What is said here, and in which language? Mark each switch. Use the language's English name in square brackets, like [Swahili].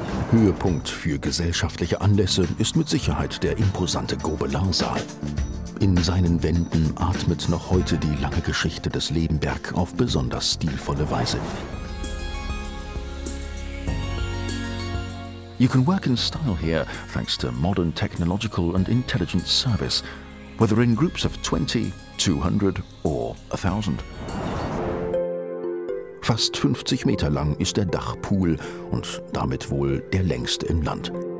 [German] Höhepunkt für gesellschaftliche Anlässe ist mit Sicherheit der imposante Gobelin-Saal. In seinen Wänden atmet noch heute die lange Geschichte des Lebenberg auf besonders stilvolle Weise. [English] You can work in style here thanks to modern technological and intelligent service, whether in groups of 20, 200 or 1000. [German] Fast 50 Meter lang ist der Dachpool und damit wohl der längste im Land.